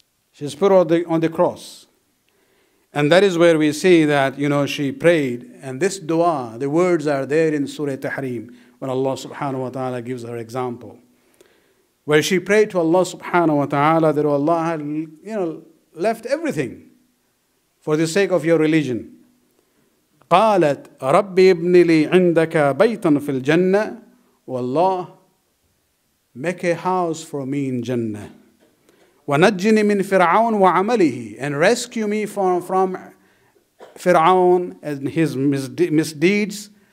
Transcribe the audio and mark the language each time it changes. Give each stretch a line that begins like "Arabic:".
English: She's put on the cross. And that is where we see that, you know, she prayed. And this dua, the words are there in Surah Tahrim, when Allah subhanahu wa ta'ala gives her example. Where she prayed to Allah subhanahu wa ta'ala that Allah had, you know, left everything for the sake of your religion.
Arabic: قَالَتْ رَبِّ ابْنِ لِي عِنْدَكَ بَيْتًا فِي الْجَنَّةِ وَاللَّهِ
English: make a house for me in Jannah.
Arabic: وَنَجِّنِ مِنْ فِرْعَوْنِ وَعَمَلِهِ
English: and rescue me from Fir'aun and his misdeeds.